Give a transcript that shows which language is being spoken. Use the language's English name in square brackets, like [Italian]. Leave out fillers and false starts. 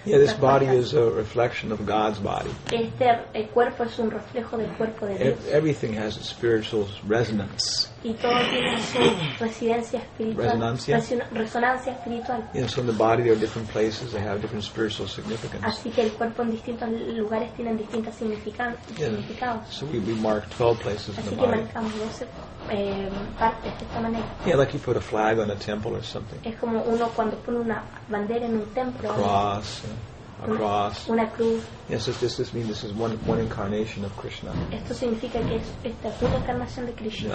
[English] Yeah, this body is a reflection of God's body. [Spanish] Este cuerpo es un reflejo del cuerpo de Dios. [English] Everything has its spiritual resonance. [Spanish] Y todo tiene su residencia espiritual. Resonancia. Resonancia espiritual. [English] Yeah, so in the body there are different places. They have different spiritual significance. [Spanish] Así que el cuerpo en distintos lugares tienen distintos significados. [English] Yeah. So we mark 12 places [Spanish] así [English] in the body. [Spanish] Así que marcamos 12 partes de esta manera. [English] Yeah, like you put a flag on a temple or something. [Spanish] Es como uno cuando pone una bandera en un templo. [English] Cross. Across. [Spanish] Una cruz. [English] Yes, yeah, so this means this is one incarnation of Krishna. [Spanish] Esto significa que esta es una encarnación de Krishna.